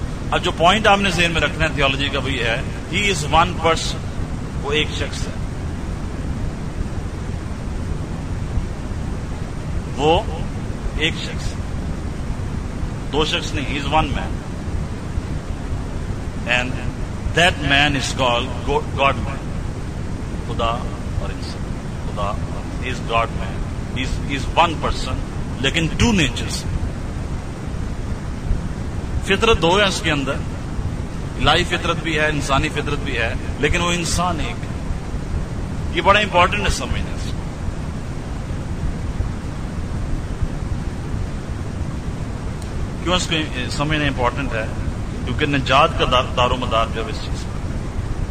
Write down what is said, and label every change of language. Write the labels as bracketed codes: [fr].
[ur] اب جو پوائنٹ آپ نے ذہن میں رکھنا ہے تھیولوجی کا وہی ہے [en] he is one person, [ur] وہ ایک شخص ہے، وہ ایک شخص ہے، دو شخص نہیں، [en] He is one man. And that man is called God man. [ur] خدا اور انسان, خدا [en] is God man, is one person, [ur] لیکن [en] Two natures. [ur] فطرت دو ہے اس کے اندر, الہی فطرت بھی ہے, انسانی فطرت بھی ہے, لیکن وہ انسان ایک ہے. یہ بڑا امپورٹنٹ ہے سمجھنا. کیوں اس کو سمجھنا امپورٹنٹ ہے؟ کیونکہ نجات کا دار و مدار جو اس چیز پر.